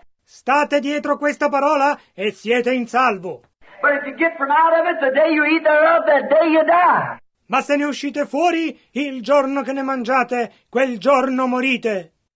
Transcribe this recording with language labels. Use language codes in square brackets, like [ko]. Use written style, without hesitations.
[it] State dietro questa parola e siete in salvo. [en] But if you get from out of it, the day you eat thereof, that day you die. [it] Ma se ne uscite fuori, il giorno che ne mangiate, quel giorno morite.